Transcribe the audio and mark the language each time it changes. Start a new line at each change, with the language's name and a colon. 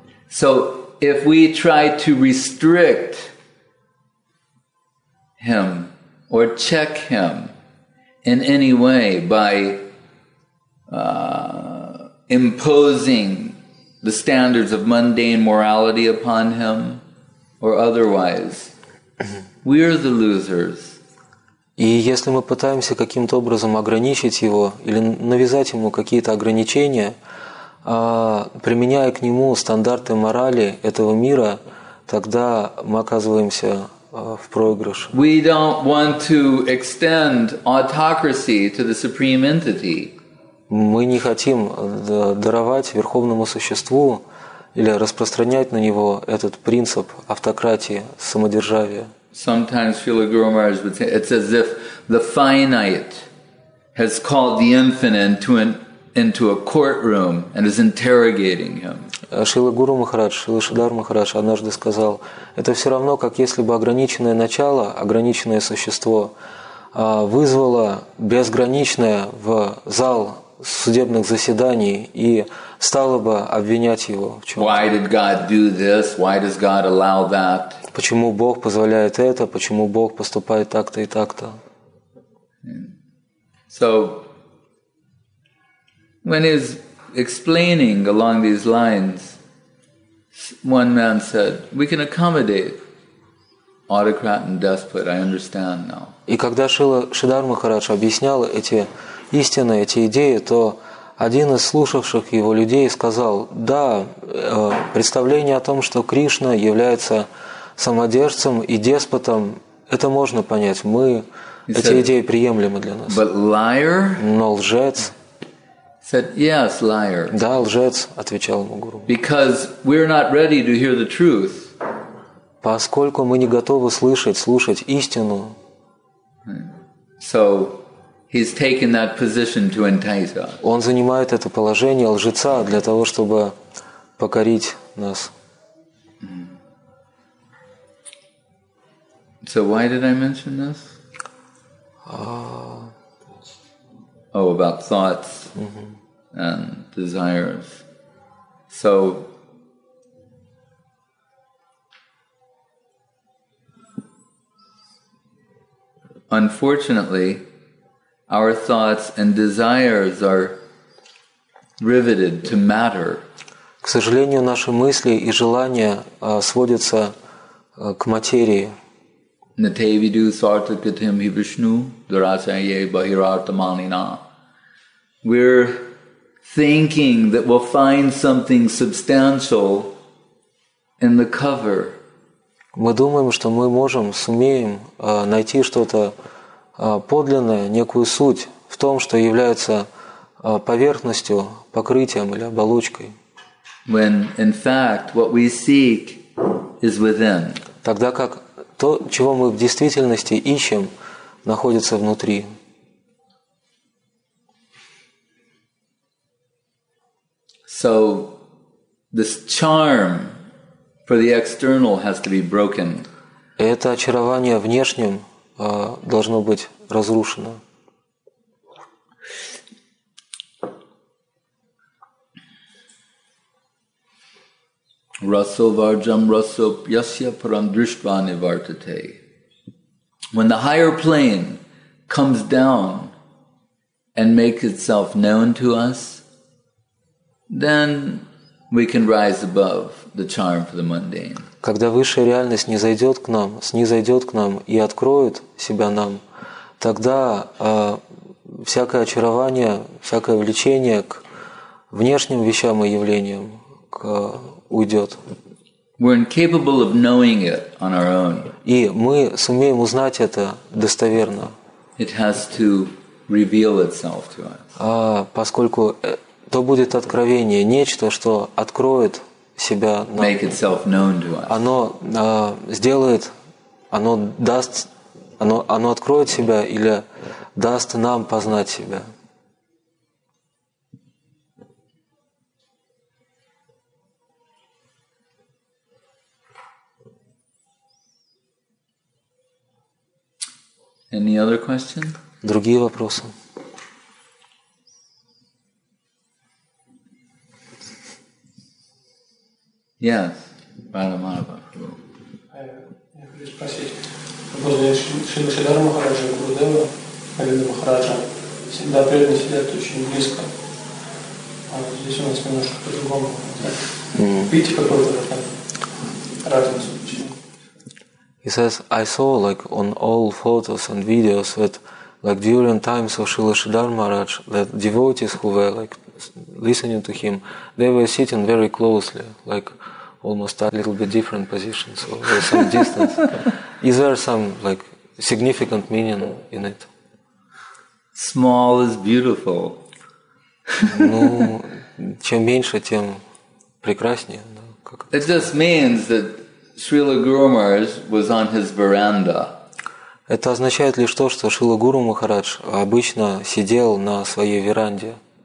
English: So if we try to restrict him or check him in any way by imposing the standards of mundane morality upon him or otherwise, we are the losers.
Russian: И если мы пытаемся каким-то образом ограничить его или навязать ему какие-то ограничения, применяя к нему стандарты морали этого мира, тогда мы оказываемся в проигрыше.
English: We don't want to extend autocracy to the supreme entity.
Russian: Мы не хотим даровать верховному существу или распространять на него этот принцип автократии, самодержавия.
English: Sometimes Srila Guru Maharaj would say, it's as if the finite has called the infinite into a courtroom and is interrogating him.
Russian: Srila Guru Maharaj, Srila Shridhar Maharaj однажды сказал, это все равно, как если бы ограниченное начало, ограниченное существо, вызвало безграничное в зал судебных заседаний и стало бы обвинять его в чем-то.
English: Why did God do this? Why does God allow that?
Russian: Почему Бог позволяет это? Почему Бог поступает так-то и так-то?
English: So, when he's explaining along these lines, one man said, "We can accommodate autocrat and despot. I understand now."
Russian: И когда Шридхар Махарадж объяснял эти истины, эти идеи, то один из слушавших его людей сказал: "Да, представление о том, что Кришна является самодержцем и деспотом, это можно понять. Мы
English: he
Russian: эти
English: said,
Russian: идеи приемлемы для нас.
English: But liar,
Russian: но лжец,
English: said, yes, liar.
Russian: Да, лжец, отвечал ему гуру.
English: Because we're not ready to hear the truth.
Russian: Поскольку мы не готовы слушать истину.
English: So he's taken that position to entice us.
Russian: Он занимает это положение лжеца для того, чтобы покорить нас.
English: So why did I mention this? About thoughts and desires. So unfortunately, our thoughts and desires are riveted to matter.
Russian: К сожалению, наши мысли и желания сводятся к материи.
Sanskrit: Natevidu sartakatim hi Vishnu durasaye bahirartamalina.
English: We're thinking that we'll find something substantial in the cover.
Russian: Мы думаем, что мы можем, сумеем найти что-то подлинное, некую суть в том, что является поверхностью, покрытием или оболочкой.
English: When in fact what we seek is within.
Russian: Тогда как то, чего мы в действительности ищем, находится внутри.
English: So this charm for the external has to be broken.
Russian: Это очарование внешним должно быть разрушено.
Sanskrit: Raso varjam raso yasya param drishtva nivartate.
English: When the higher plane comes down and makes itself known to us, then we can rise above the charm for the mundane.
Russian: Когда высшая реальность снизойдет к нам и откроет себя нам, тогда всякое очарование, всякое влечение к внешним вещам и явлениям уйдет.
English: We're incapable of knowing it on our own.
Russian: И мы сумеем узнать это достоверно.
English: It has to reveal itself to us.
Russian: Поскольку то будет откровение, нечто, что откроет себя нам.
English: Make itself known to us.
Russian: Оно сделает, оно даст оно откроет себя или даст нам познать себя?
English: Any other question?
Russian: Другие вопросы?
English: Yes, Парамахамса.
Russian: Я хочу спросить, возле Шрилы Шридхара Махараджа и Гурудева, Арина Махараджа, всегда преданные сидят очень близко. А здесь у нас немножко по-другому. Видите, какой вы разницу?
English: He says, I saw like on all photos and videos that like during times of Srila Sridhara Maharaj, that devotees who were like listening to him, they were sitting very closely, like almost a little bit different positions or so some distance. Is there some like significant meaning in it? Small is beautiful.
Russian: Ну, чем меньше, тем прекраснее.
English: It just means that Srila Guru Maharaj was on his veranda.
Russian: Это означает лишь то, что Шрила Гуру Махарадж обычно сидел на своей веранде.